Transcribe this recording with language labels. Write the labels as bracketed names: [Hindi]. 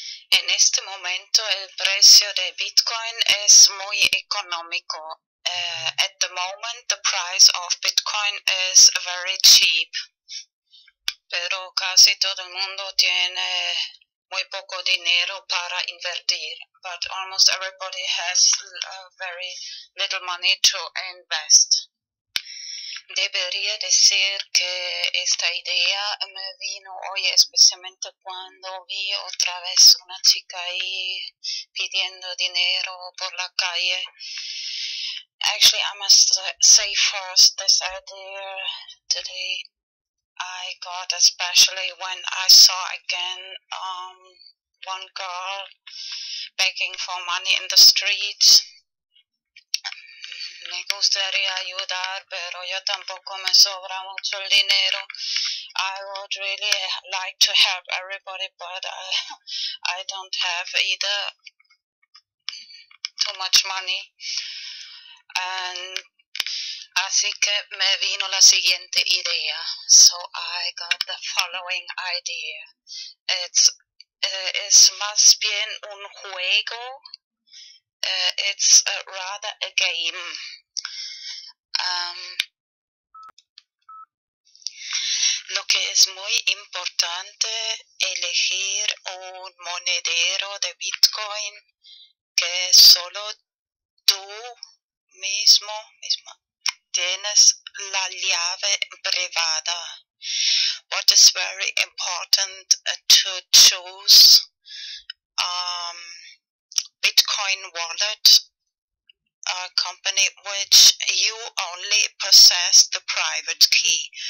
[Spanish] En este momento el precio de Bitcoin es muy económico. [English] At the moment the price of Bitcoin is very cheap. [Spanish] Pero casi todo el mundo tiene muy poco dinero para invertir. [English] But almost everybody has very little money to invest. [Spanish] Debería decir que esta idea me vino hoy especialmente cuando vi otra vez una chica ahí pidiendo dinero por la calle. [English] Actually, I must say first this idea today I got, especially when I saw again one girl begging for money in the streets. [Spanish] Me gustaría ayudar, pero yo tampoco me sobra mucho el dinero. [English] I would really like to help everybody, but I don't have either. too much money. And [Spanish] así que me vino la siguiente idea. [English] So I got the following idea. It's [Spanish] más bien un juego. [English] It's rather a game. [Spanish] Lo que es muy importante, elegir un monedero de Bitcoin que solo tú mismo tienes la llave privada. [English] What is very important to choose Bitcoin wallet, a company which you only possess the private key.